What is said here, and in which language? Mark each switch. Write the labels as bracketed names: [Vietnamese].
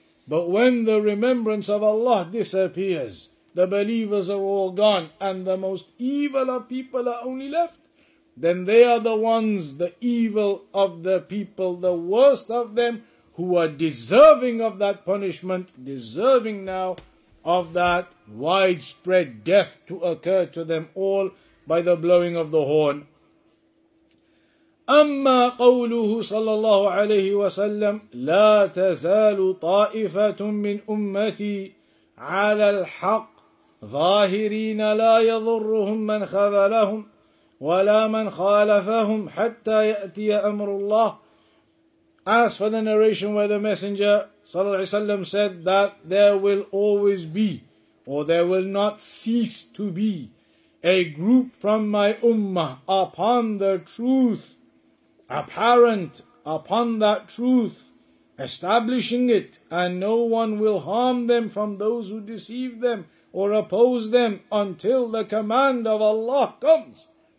[English] But when the remembrance of Allah disappears, the believers are all gone, and the most evil of people are only left, then they are the ones, the evil of the people, the worst of them, who are deserving of that punishment, deserving now of that widespread death to occur to them all by the blowing of the horn. [Arabic] أما قوله صلى الله عليه وسلم لا تزال طائفة من أمتي على الحق ظاهرين لا يضرهم من خذلهم ولا من خالفهم حتى يأتي أمر الله. [English] As for the narration where the messenger [Arabic] صلى الله عليه وسلم [English] said that there will always be, or there will not cease to be, a group from my ummah upon the truth, apparent upon that truth, establishing it, and no one will harm them from those who deceive them or oppose them until the command of Allah comes.